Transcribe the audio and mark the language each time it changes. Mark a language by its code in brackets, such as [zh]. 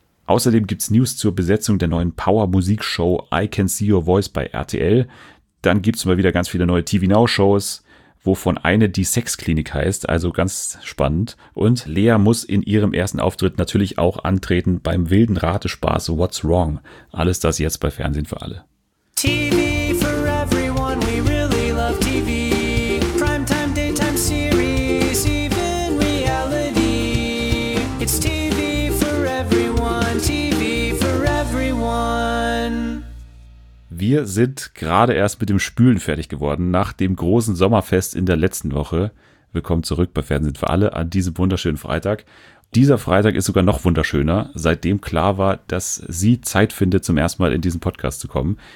[de] Außerdem gibt's News zur Besetzung der neuen Power-Musikshow I Can See Your Voice bei RTL. Dann gibt's mal wieder ganz viele neue TV-Now-Shows, wovon eine die Sexklinik heißt, also ganz spannend. Und Lea muss in ihrem ersten Auftritt natürlich auch antreten beim wilden Ratespaß What's Wrong. Alles das jetzt bei Fernsehen für alle. [en] TV for everyone, we really love TV. Primetime, daytime series, even reality. It's TV for everyone, TV for everyone. [de] Wir sind gerade erst mit dem Spülen fertig geworden, nach dem großen Sommerfest in der letzten Woche. Willkommen zurück bei Fernsehen für alle an diesem wunderschönen Freitag. Dieser Freitag ist sogar noch wunderschöner, seitdem klar war, dass sie Zeit findet, zum ersten Mal in diesen Podcast zu kommen.